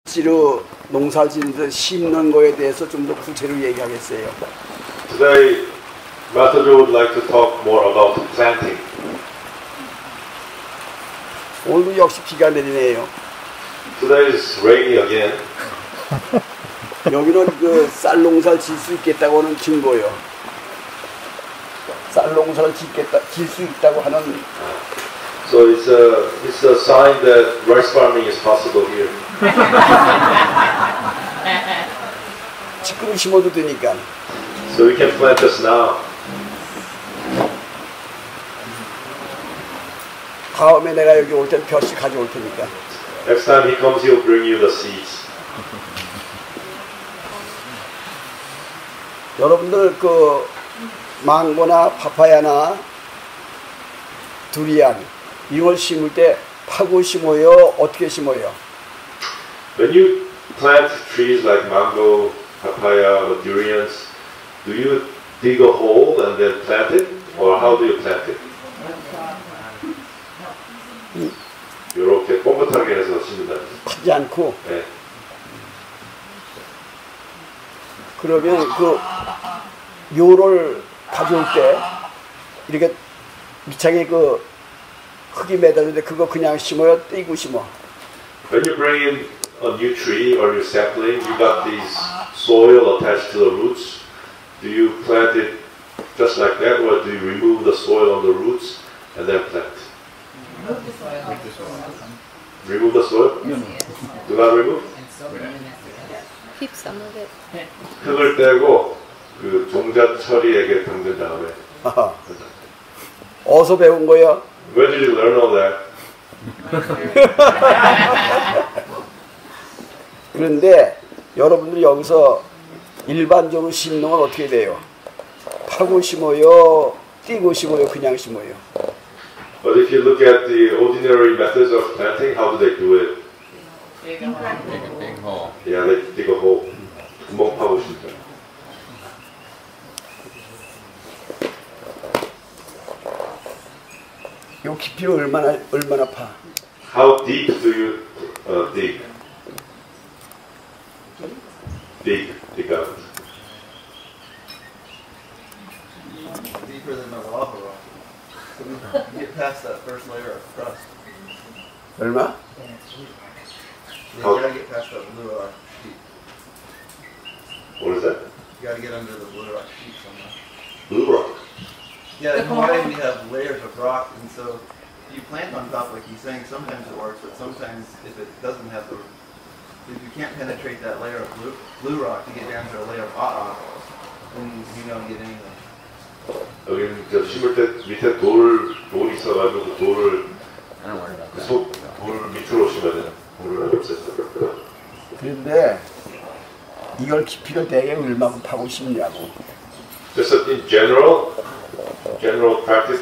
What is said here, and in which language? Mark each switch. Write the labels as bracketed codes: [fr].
[ko] 실제로 농사짓는 심는 거에 대해서 좀 더 구체로 얘기하겠어요. [en] Today, Master would like to talk more about planting. [ko] 오늘도 역시 비가 내리네요. [en] Today is rainy again. [ko] 여기는 그 쌀 농사를 질 수 있겠다고 하는 증거요. 쌀 농사를 짓겠다, 질 수 있다고 하는. [en] So it's a sign that rice farming is possible here. [ko] 지금 심어도 되니까. [en] So we can plant this now. [ko] 다음에 내가 여기 올 때 벼씨 가져올 테니까. [en] Next time he comes, he'll bring you the seeds. [ko] 여러분들 그 망고나 파파야나 두리안 이걸 심을 때 파고 심어요? 어떻게 심어요? [en] When you plant trees like mango, papaya, or durians, do you dig a hole and then plant it? Or how do you plant it? [ko] 이렇게 꼼꼼하게 해서 심는다. 파지 않고? 네. 그러면 그 요를 가져올 때 이렇게 밑창에 그 흙이 매달렸는데 그거 그냥 심어요? 떼고 심어? [en] When you bring in a new tree or new sapling, you got this soil attached to the roots. Do you plant it just like that or do you remove the soil on the roots and then plant? Remove the soil. Remove the soil? Do I remove? Keep some of it. [ko] 흙을 떼고 그 종자 처리에게 담근 다음에. 어디서 배운 거야? [en] Where did you learn all that? [ko] 그런데 여러분들 여기서 일반적으로 심는 건 어떻게 돼요? 파고 심어요? 띄고 심어요? 그냥 심어요? [en] But if you look at the ordinary methods of planting, how do they do it? They dig a hole. Yeah, they dig a hole. [ko] 구멍 파고 심어요. 요 깊이로 얼마나 파? [en] How deep do you dig? Dig out. Deeper than the lava rock. Get past that first layer of crust. [ko] 얼마? [en] You gotta get past that blue rock sheet. What is that? You gotta get under the blue rock sheet somewhere. Blue rock? Yeah, in Hawaii we have layers of rock, and so if you plant on top, like he's saying, sometimes it works, but sometimes if it doesn't have the... If you can't penetrate that layer of blue rock to get down to a layer of rock, then you don't get anything. [ko] 여기 저 심을 때 밑에 돌 있어가지고 돌을 속 돌 밑으로 심어야 돼요. 돌을 없앴어. 그런데 이걸 깊이로 대개 얼마큼 파고 심냐고. [en] Just in general practice,